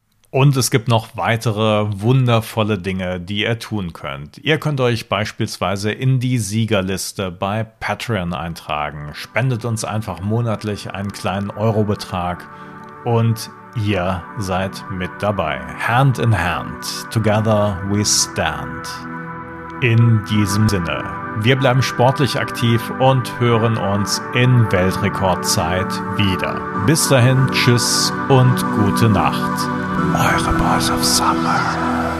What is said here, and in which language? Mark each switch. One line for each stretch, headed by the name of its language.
German: Und es gibt noch weitere wundervolle Dinge, die ihr tun könnt. Ihr könnt euch beispielsweise in die Siegerliste bei Patreon eintragen. Spendet uns einfach monatlich einen kleinen Eurobetrag und ihr seid mit dabei.
English: Hand in hand, together we stand.
German: In diesem Sinne, wir bleiben sportlich aktiv und hören uns in Weltrekordzeit wieder. Bis dahin, tschüss und gute Nacht. Eure Boys of Summer.